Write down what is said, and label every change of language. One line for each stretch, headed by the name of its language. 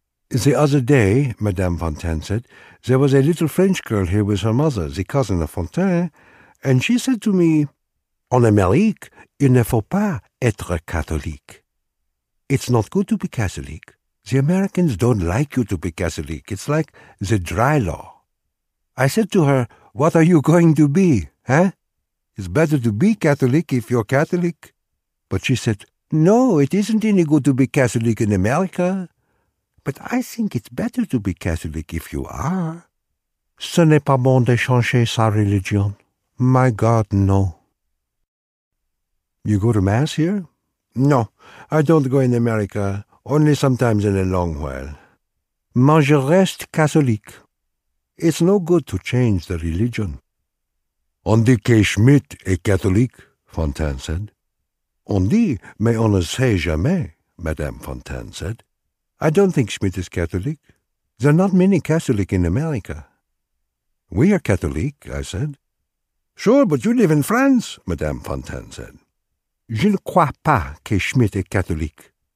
English: The other day, Madame Fontaine said, there was a little French girl here with her mother, the cousin of Fontaine, and she said to me,
French: en Amérique, il ne faut pas être catholique.
English: It's not good to be Catholic. The Americans don't like you to be Catholic. It's like the dry law. I said to her, what are you going to be, huh? It's better to be Catholic if you're Catholic. But she said, no, it isn't any good to be Catholic in America. But I think it's better to be Catholic if you are.
French: Ce n'est pas bon de changer sa religion.
English: My God, no. You go to Mass here? No, I don't go in America, only sometimes in a long while.
French: mais je reste catholique.
English: It's no good to change the religion.
French: On dit que Schmidt est catholique, Fontaine
English: said.
French: On dit, mais on ne sait jamais, Madame Fontaine
English: said. I don't think Schmidt is catholique. There are not many Catholics in America. We are catholic, I said. Sure, but you live in France, Madame Fontaine said.
French: Je ne crois pas que Schmidt est catholique.